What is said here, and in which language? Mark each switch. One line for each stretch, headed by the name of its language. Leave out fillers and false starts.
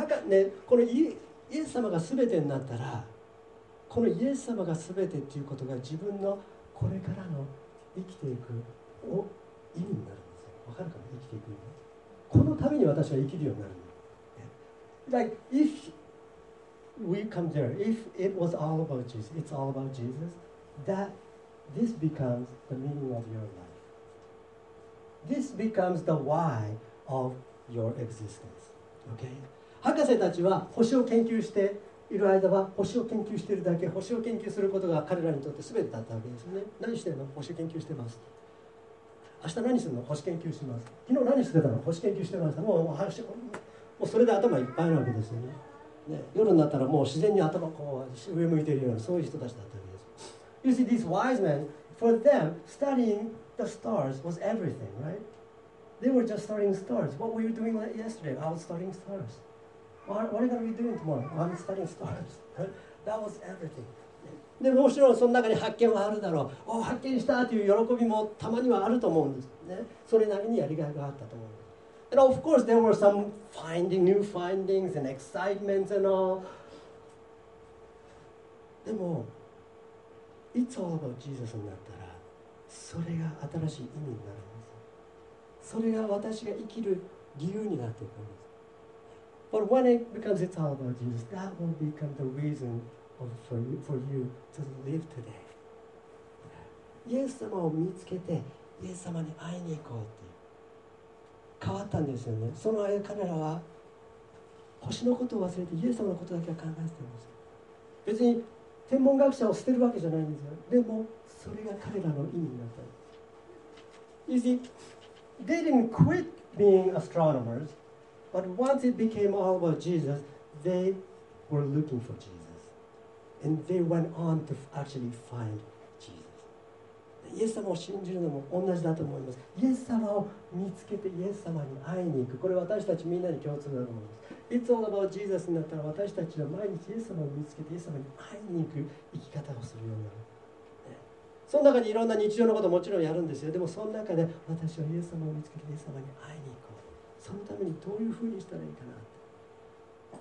Japanese: はか、ね、このイエス様が全てになったら、このイエス様が全てということが自分のこれからの生きていくを意味になるんですよ。わかるかな、生きていく意味。このために私は生きるようになる。
English: Like, if we come there, if it was all about Jesus, it's all about Jesus, that this becomes the meaning of your life. This becomes the why of your existence. Okay?
Japanese: 博士たちは星を研究している間は星を研究しているだけ、星を研究することが彼らにとって全てだったわけですよね。何してるの？星研究してます。明日何するの？星研究します。昨日何してたの？星研究してました。もうそれで頭いっぱいなわけですよ ね。夜になったらもう自然に頭こう上向いているような、そういう人たちだったわけです。
English: You see, these wise men, for them, studying the stars was everything, right? They were just studying stars. What were you doing like yesterday? I was studying stars. What are you going to be doing tomorrow? I'm studying stars. That was everything.
Japanese: でもちろんその中に発見はあるだろう。お、発見したという喜びもたまにはあると思うんです、ね。それなりにやりがいがあったと思うんです。
English: And of course, there were some finding, new findings and excitements and all.
Japanese: でも、
English: It's all about Jesus
Japanese: になったら、それが新しい意味になるんです。それが私が生きる理由になっていくんです。
English: But when it becomes it's all about Jesus, that will become the reason. For you to live today.
Japanese: イエス様を見つけてイエス様に会いに行こうっていう、変わったんですよね。その間彼らは星のことを忘れてイエス様のことだけは考えてるんですよ。別に天文学者を捨てるわけじゃないんですよ。でもそれが彼らの意味になったんです。
English: You see, they didn't quit being astronomers, but once it became all about Jesus, they were looking for JesusAnd they went on to actually find Jesus.
Japanese: イエス様を信じるのも同じだと思います。イエス様を見つけてイエス様に会いに行く。これ私たちみんなに共通だと思います。
English: It's all about Jesus
Japanese: になったら私たちは毎日イエス様を見つけてイエス様に会いに行く生き方をするようになる。その中にいろんな日常のことももちろんやるんですよ。でもその中で私はイエス様を見つけてイエス様に会いに行こう。そのためにどういうふうにしたらいいかな。